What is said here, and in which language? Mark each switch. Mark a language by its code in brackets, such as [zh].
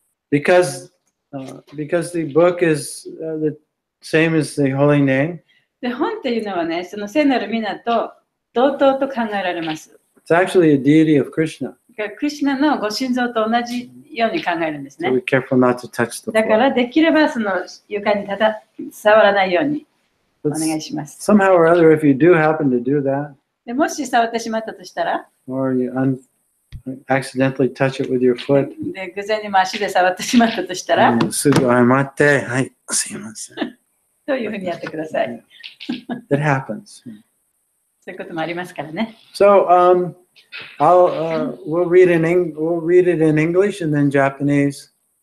[en] Because the book is the same as the holy name. [ja] で、本っていうのはね、その聖なる皆と同等と考えられます。 [en] It's actually a deity of Krishna. [ja] クリシュナのご神像と同じように考えるんですね。 [en] So be careful not to touch the book. [ja] だからできればその床に触らないように。 [en] Somehow or other, if you do happen to do that, [ja] でもし触ってしまったとしたら、 [en] or you accidentally touch it with your foot, [ja] で偶然にも足で触ってしまったとしたら、すぐ謝って、はい、すいません。というふうにやってください。 [en] It happens. [ja] そういうこともありますからね。 [en] So, we'll read it in English and then Japanese.